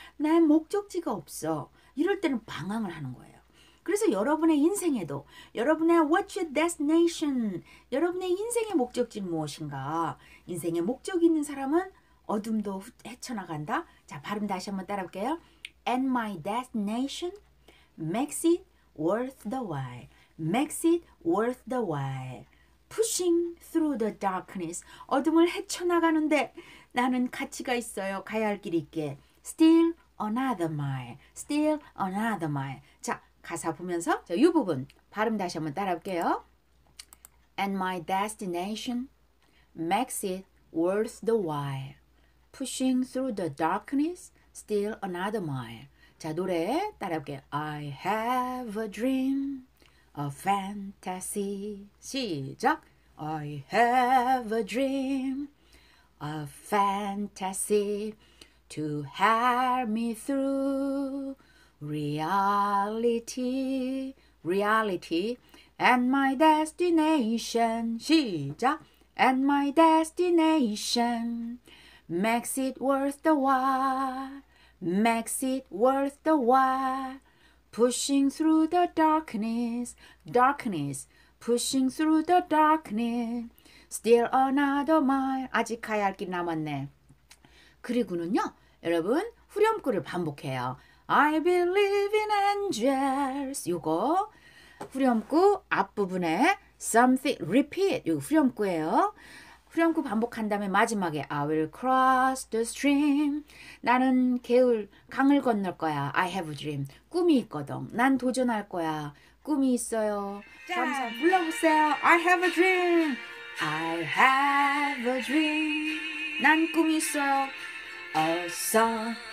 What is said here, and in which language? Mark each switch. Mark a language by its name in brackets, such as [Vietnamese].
[Korean] 나의 목적지가 없어. 이럴 때는 방황을 하는 거예요. 그래서 여러분의 인생에도 여러분의 [English] what's your destination? [Korean] 여러분의 인생의 목적지는 무엇인가? 인생에 목적이 있는 사람은 어둠도 헤쳐나간다. 자, 발음 다시 한번 따라 볼게요. [English] And my destination makes it worth the while. Makes it worth the while. Pushing through the darkness. [Korean] 어둠을 헤쳐나가는데 나는 가치가 있어요. 가야 할 길이 있게. [English] Still another mile. Still another mile. [Korean] 자, 가사 보면서 자, 이 부분 발음 다시 한번 따라 볼게요. [English] And my destination makes it worth the while. Pushing through the darkness, still another mile. [Korean] 자, 노래 따라 볼게요. [English] I have a dream, a fantasy. [Korean] 시작! [English] I have a dream, a fantasy to help me through. Reality, reality, and my destination. [Korean] 시작. [English] And my destination makes it worth the while. Makes it worth the while. Pushing through the darkness, darkness. Pushing through the darkness. Still another mile. [Korean] 아직 가야 할 길 남았네. 그리고는요, 여러분 후렴구를 반복해요. [English] I believe in angels. [Korean] 이거 후렴구 앞부분에 something repeat. 이거 후렴구예요. 후렴구 반복한 다음에 마지막에 [English] I will cross the stream. [Korean] 나는 개울 강을 건널 거야. [English] I have a dream. [Korean] 꿈이 있거든. 난 도전할 거야. 꿈이 있어요. 자, 불러보세요. [English] I have a dream. I have a dream. [Korean] 난 꿈이 있어요. [English] A song.